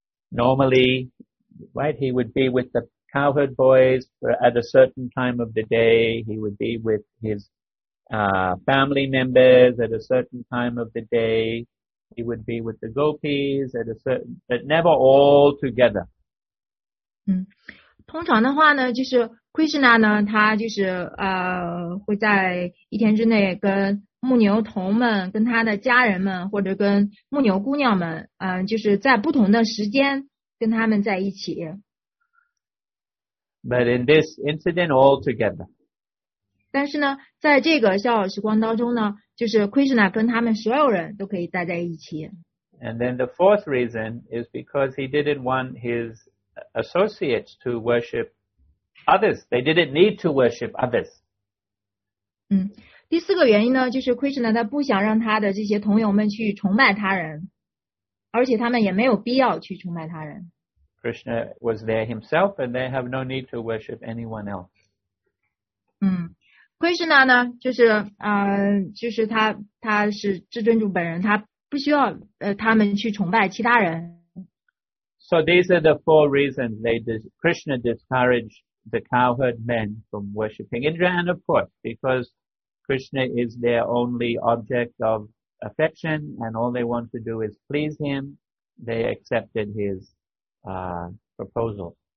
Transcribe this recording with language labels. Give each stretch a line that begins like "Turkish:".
English: Normally, right, he would be with the cowherd boys at a certain time of the day. He would be with his family members at a certain time of the day. He would be with the gopis at a certain, but never all together.
Chinese: 通常的话呢，就是Krishna 呢，他就是会在一天之内跟牧牛童们、跟他的家人们，或者跟牧牛姑娘们，就是在不同的时间跟他们在一起。
English: But in this incident altogether.
Chinese: 但是呢，在这个笑耳时光当中呢，就是 Krishna 跟他们所有人都可以待在一起。
English: And then the fourth reason is because he didn't want his associates to worship others. They didn't need to worship others.
Chinese: 嗯，第四个原因呢，就是 Krishna 他不想让他的这些同友们去崇拜他人，而且他们也没有必要去崇拜他人。
English: Krishna was there himself, and they have no need to worship anyone else.
Chinese: 嗯 ，Krishna 呢，就是就是他是至尊主本人，他不需要他们去崇拜其他人。
English: So these are the four reasons they Krishna discouraged the cowherd men from worshiping Indra, and of course, because Krishna is their only object of affection, and all they want to do is please him, they accepted his proposal.